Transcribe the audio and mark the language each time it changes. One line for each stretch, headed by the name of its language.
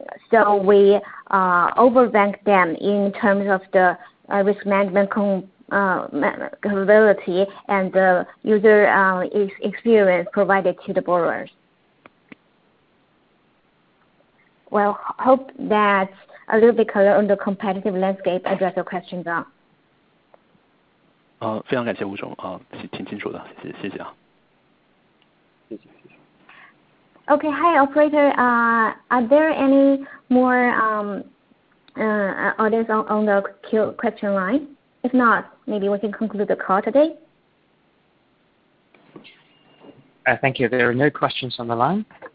English: So we overbank them in terms of the risk management capability and the user experience provided to the borrowers. Well, hope that a little bit color on the competitive landscape address your question, John.
Chinese: 非常感谢吴总，挺清楚的，谢谢啊。
English: Okay, hi operator. Are there any more audience on the question line? If not, maybe we can conclude the call today. Thank you. There are no questions on the line.